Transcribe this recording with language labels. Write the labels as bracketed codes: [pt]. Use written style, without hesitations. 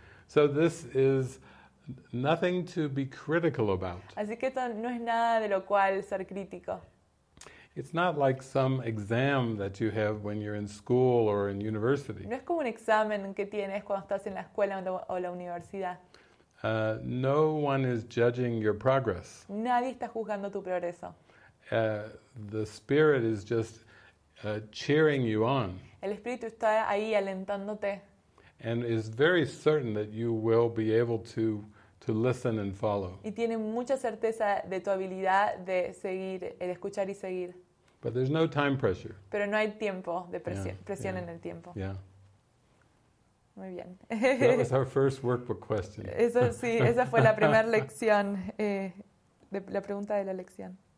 [en] So this is nothing to be critical about. [es] Así que esto no es nada de lo cual ser crítico. [en] It's not like some exam that you have when you're in school or in university. [es] No es como un examen que tienes cuando estás en la escuela o la universidad. [en] No one is judging your progress. [es] Nadie está juzgando tu progreso. [en] The Spirit is just cheering you on. [es] El Espíritu está ahí alentándote. [en] And is very certain that you will be able to listen and follow. [es] Y tiene mucha certeza de tu habilidad de seguir, el escuchar y seguir. [en] But there's no time pressure. [es] Pero no hay tiempo de presión en el tiempo. [en] Yeah. [es] Muy bien. [en] That was our first workbook question. [es] Eso sí, esa fue la primera lección, de la pregunta de la lección.